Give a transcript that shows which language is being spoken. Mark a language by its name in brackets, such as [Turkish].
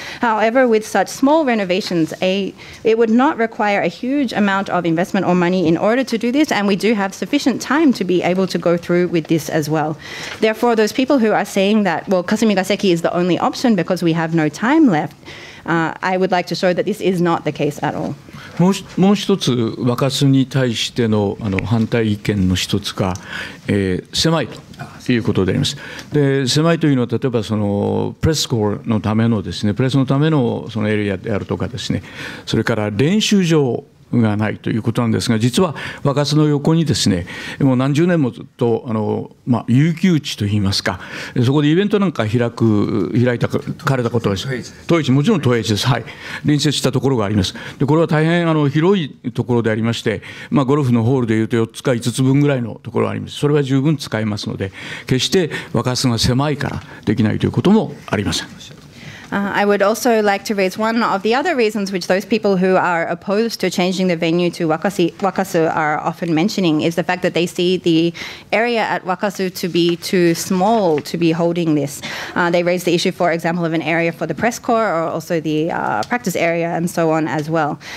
[English] However, with such small renovations, it would not require a huge amount of investment or money in order to do this, and we do have sufficient time to be able to go through with this as well. Therefore, those people who are saying that, well, Kasumigaseki is the only option because we have no time left, I would like to show that this is not the case at all. [Japanese] もう一つ若洲に対しての反対意見の一つが、狭いということであります。で、狭いというのは例えばそのプレスコールのためのですね、プレスのためのそのエリアであるとかですね、それから練習場がないということなんですが、実は若洲の横にですね、もう何十年もずっと遊休地といいますか、そこでイベントなんか開いたことです。東映地、もちろん東映地です、はい、隣接したところがあります。でこれは大変広いところでありまして、ゴルフのホールでいうと4つか5つ分ぐらいのところがあります。それは十分使えますので、決して若洲が狭いからできないということもありません。 [English] I would also like to raise one of the other reasons which those people who are opposed to changing the venue to Wakasu are often mentioning, is the fact that they see the area at Wakasu to be too small to be holding this. They raise the issue, for example, of an area for the press corps or also the practice area and so on as well.